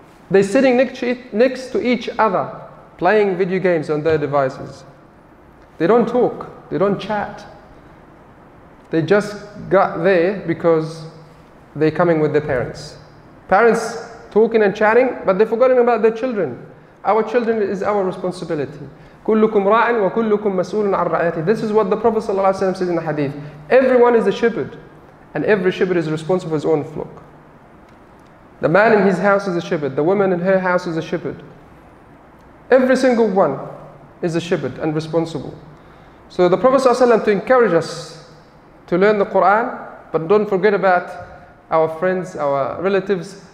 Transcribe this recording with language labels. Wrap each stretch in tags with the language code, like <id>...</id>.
<en>They're sitting next to each other, playing video games on their devices. They don't talk, they don't chat. They just got there because they're coming with their parents. Parents talking and chatting, but they're forgetting about their children. Our children is our responsibility.</en> <ar>كلكم راع وكلكم مسؤول عن رعيته.</ar> <en>This is what the Prophet</en> <ar>صلى الله عليه وسلم</ar> <en>says in the hadith. Everyone is a shepherd, and every shepherd is responsible for his own flock. The man in his house is a shepherd. The woman in her house is a shepherd. Every single one is a shepherd and responsible. So the Prophet</en> <ar>صلى الله عليه وسلم</ar> <en>to encourage us to learn the Quran, but don't forget about our friends, our relatives.</en>